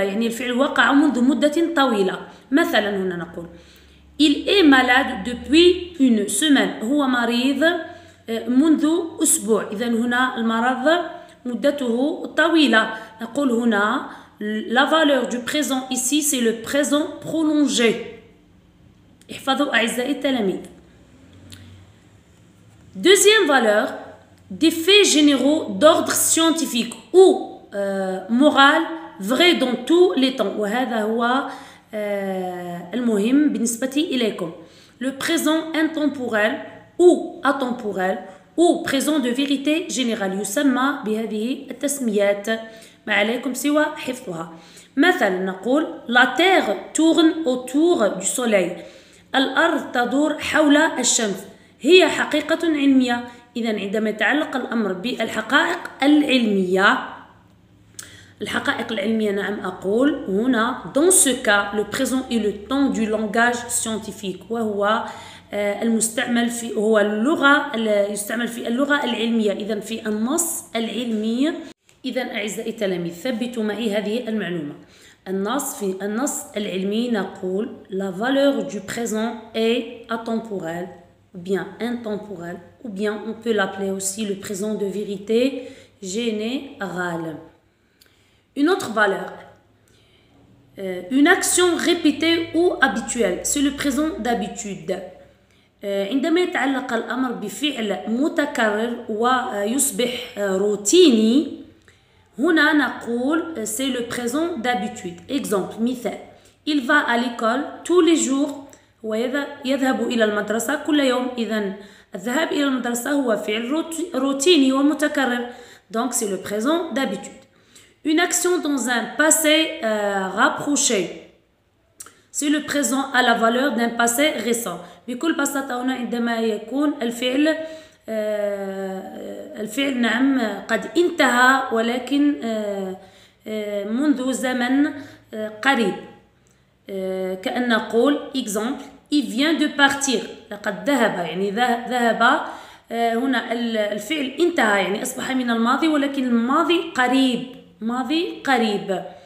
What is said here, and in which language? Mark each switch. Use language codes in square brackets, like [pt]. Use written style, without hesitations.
[ar] يعني الفعل وقع منذ مدة طويلة. مثلا هنا نقول [fr] il est malade depuis une semaine. [ar] هو مريض منذ أسبوع. إذا هنا المرض مدته طويلة. نقول هنا [fr] la valeur du présent ici c'est le présent prolongé. [ar] احفظوا أعزائي التلاميذ. [fr] Deuxième valeur, des faits généraux d'ordre scientifique ou moral vrai dans tous les temps. [ar] وهذا هو المهم بالنسبة إليكم. [fr] Le présent intemporel ou atemporel ou présent de vérité générale. [ar] يسمى بهذه التسميات. ما عليكم سوى حفظها. مثلا نقول [fr] la terre tourne autour du soleil. [ar] الأرض تدور حول الشمس. هي حقيقة علمية. إذا عندما يتعلق الأمر بالحقائق العلمية الحقائق العلمية نعم أقول هنا [fr] dans ce cas le présent est le temps du langage scientifique [ar] وهو المستعمل في هو اللغة يستعمل في اللغة العلمية إذا في النص العلمي. إذا أعزائي التلاميذ ثبتوا معي هذه المعلومة. النص في النص العلمي نقول [fr] la valeur du présent est atemporelle ou bien intemporelle ou bien on peut l'appeler aussi le présent de vérité générale. Une autre valeur, une action répétée ou habituelle, c'est le présent d'habitude. [ar] عندما يتعلق الأمر بفعل متكرر ويصبح روتيني هنا نقول [fr] c'est le présent d'habitude. Exemple, [ar] مثال [fr] il va à l'école tous les jours. [ar] ويذهب إلى المدرسة كل يوم. إذن الذهاب إلى المدرسة هو فعل روتيني ومتكرر. [fr] Donc c'est le présent d'habitude. Une action dans un passé rapproché. C'est le présent à la valeur d'un passé récent. [ar] بكل بساطة هنا عندما يكون الفعل الفعل نعم قد انتهى ولكن منذ زمن قريب. كأن نقول [fr] example il vient de partir. [ar] لقد ذهب يعني ذهب هنا الفعل انتهى يعني أصبح من الماضي ولكن الماضي قريب ماضي قريب.